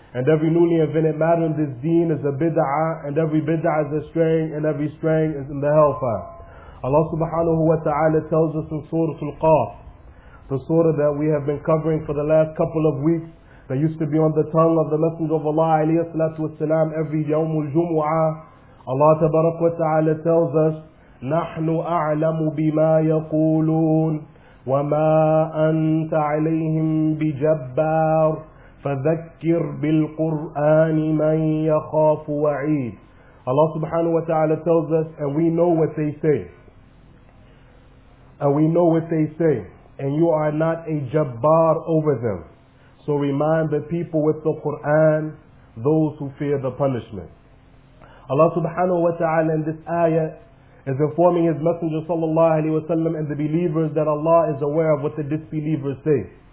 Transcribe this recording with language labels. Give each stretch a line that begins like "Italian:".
English: And every newly invented matter in this deen is a bid'ah. And every bid'ah is a straying. And every straying is in the hellfire. Allah subhanahu wa ta'ala tells us in Surah Al-Qaf, the surah that we have been covering for the last couple of weeks, that used to be on the tongue of the Messenger of Allah alayhi salatu wa salam every Yawmul Jumu'ah. Allah tabarak wa ta'ala tells us,
Arabic: نحن أعلم بما يقولون وما أنت عليهم بجبار فذكر بالقرآن من يخاف وعيد.
English: Allah subhanahu wa ta'ala tells us, and we know what they say. And we know what they say. And you are not a jabbar over them. So remind the people with the Quran, those who fear the punishment. Allah subhanahu wa ta'ala in this ayah is informing His Messenger sallallahu alayhi wa sallam and the believers that Allah is aware of what the disbelievers say.